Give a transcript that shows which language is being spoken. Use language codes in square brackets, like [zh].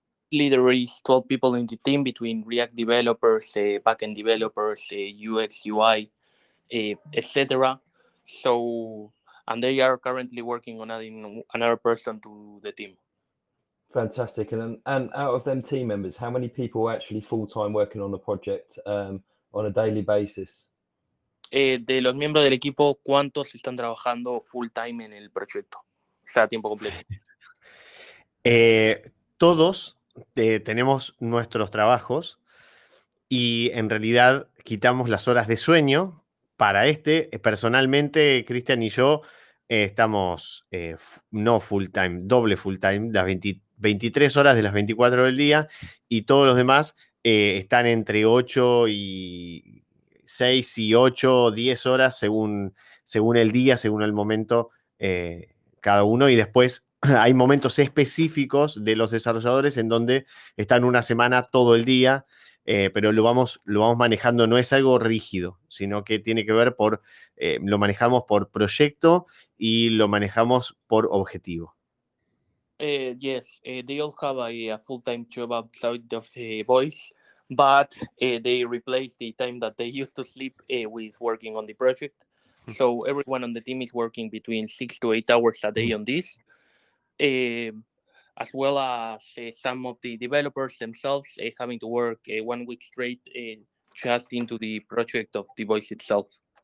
[en] There is 12 people in the team between React developers, backend developers, UX, UI, etc. So, and they are currently working on adding another person to the team. Fantastic. And out of them team members, how many people are actually full-time working on the project on a daily basis? [es] De los miembros del equipo, ¿cuántos están trabajando full-time en el proyecto? O sea, tiempo completo. todos tenemos nuestros trabajos y en realidad quitamos las horas de sueño para este. Personalmente, Cristian y yo estamos no full-time, doble full-time, las 23 horas de las 24 del día, y todos los demás están entre 8 y 6 y 8 o 10 horas según el día, según el momento cada uno. Y después hay momentos específicos de los desarrolladores en donde están una semana todo el día, pero lo vamos manejando. No es algo rígido, sino que tiene que ver por, lo manejamos por proyecto y lo manejamos por objetivo. [en] Yes, they all have a full-time job outside of the voice, but they replace the time that they used to sleep with working on the project. So everyone on the team is working between 6 to 8 hours a day on this, as well as some of the developers themselves having to work 1 week straight just into the project of the voice itself.